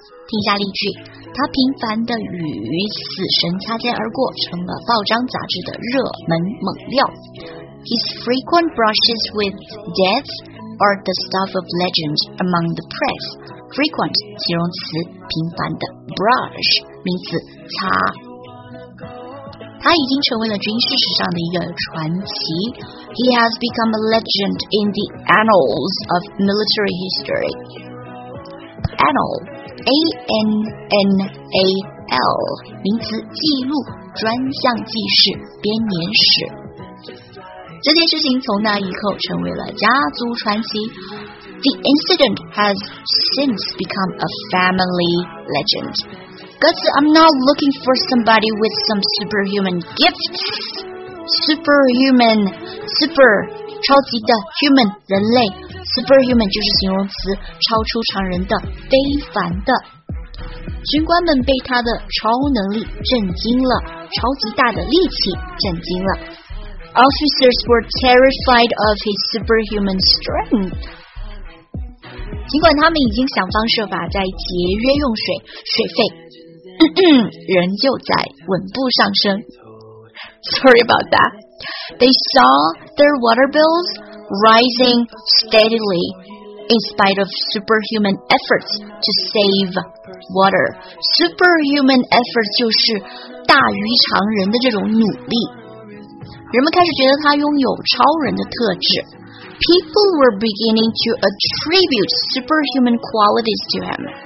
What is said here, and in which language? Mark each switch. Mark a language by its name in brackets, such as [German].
[Chinese] 听一下例句，他频繁的与死神擦肩而过，成了报章杂志的热门猛料。 [English] His frequent brushes with death are the stuff of legend among the press. [Chinese] Frequent 形容词，频繁的 brush 名词擦。他已经成为了军事史上的一个传奇。 [English] He has become a legend in the annals of military history. Annal. [Chinese] A-N-N-A-L 名词记录专项记事编年史。这件事情从那以后成为了家族传奇。 [English] The incident has since become a family legend. Guts, I'm not looking for somebody with some superhuman gifts. [Chinese] Superhuman, 超级的 human, 人类 superhuman 就是形容词，超出常人的，非凡的。军官们被他的超能力震惊了，超级大的力气震惊了。 [English] Officers were terrified of his superhuman strength. [Chinese] 尽管他们已经想方设法在节约用水水费，仍旧在稳步上升。 [English] Sorry about that. They saw their water bills rising steadily in spite of superhuman efforts to save water. [Chinese] Superhuman efforts 就是大于常人的这种努力。人们开始觉得他拥有超人的特质。 [English] People were beginning to attribute superhuman qualities to him.